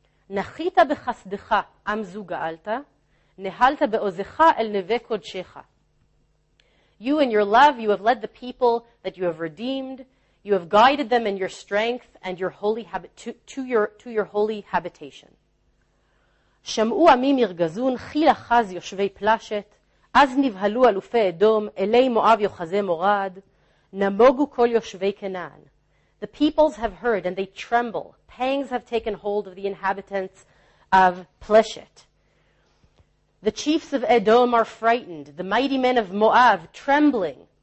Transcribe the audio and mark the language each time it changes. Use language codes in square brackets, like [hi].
[he] נחית בחסדך עם זו גאלת, נהלת בעוזך אל נווה קודשך. [en] You and your love, you have led the people that you have redeemed. You have guided them in your strength and your holy to your holy habitation. [he] שמעו עמים ירגזון, חיל אחז יושבי פלשת, אז נבהלו אלופי אדום, אלי מואב יוחזי מורד, נמוגו כל יושבי כנען. [en] The peoples have heard and they tremble. Pangs have taken hold of the inhabitants of Pleshet. The chiefs of Edom are frightened. The mighty men of Moab, trembling.